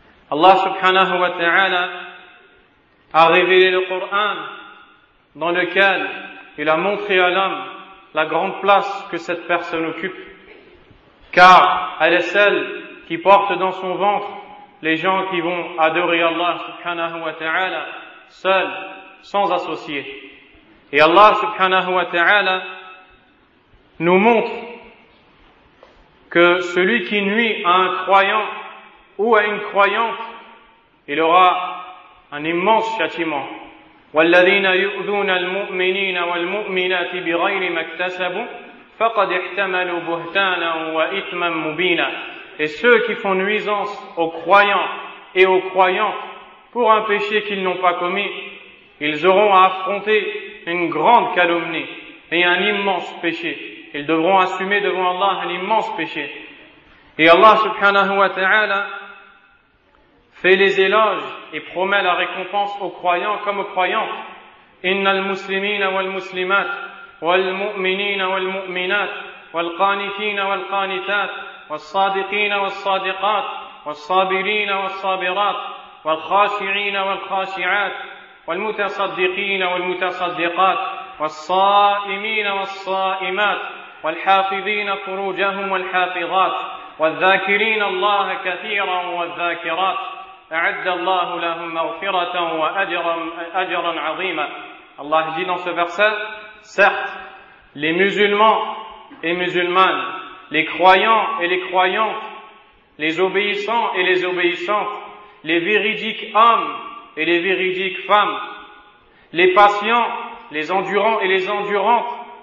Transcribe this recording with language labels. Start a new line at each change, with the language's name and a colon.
French: Allah subhanahu wa ta'ala a révélé le Coran dans lequel il a montré à l'homme la grande place que cette personne occupe, car elle est celle qui porte dans son ventre les gens qui vont adorer Allah subhanahu wa ta'ala seul, sans associé. Et Allah subhanahu wa ta'ala nous montre que celui qui nuit à un croyant ou à une croyante il aura un immense châtiment.
Arabic: والذين يؤذون المؤمنين والمؤمنات بغير ما اكتسبوا فقد احتملوا بهتانا وإثما مبينا.
French: Et ceux qui font nuisance aux croyants et aux croyantes pour un péché qu'ils n'ont pas commis, ils auront à affronter une grande calomnie et un immense péché. Ils devront assumer devant Allah un immense péché. Et Allah subhanahu wa ta'ala fait les éloges et promet la récompense aux croyants comme aux croyantes.
Arabic: Inna al-muslimina wal-muslimat, wal-mu'minina wal-mu'minat, wal-qanitina wal-qanitat, والصادقين والصادقات والصابرين والصابرات والخاشعين والخاشعات والمتصدقين والمتصدقات والصائمين والصائمات والحافظين فروجهم والحافظات والذاكرين الله كثيرا والذاكرات أعد الله لهم مغفرة وأجرا عظيما.
French: الله dit dans ce verset, certes, les musulmans et musulmanes, les croyants et les croyantes, les obéissants et les obéissantes, les véridiques hommes et les véridiques femmes, les patients, les endurants et les endurantes,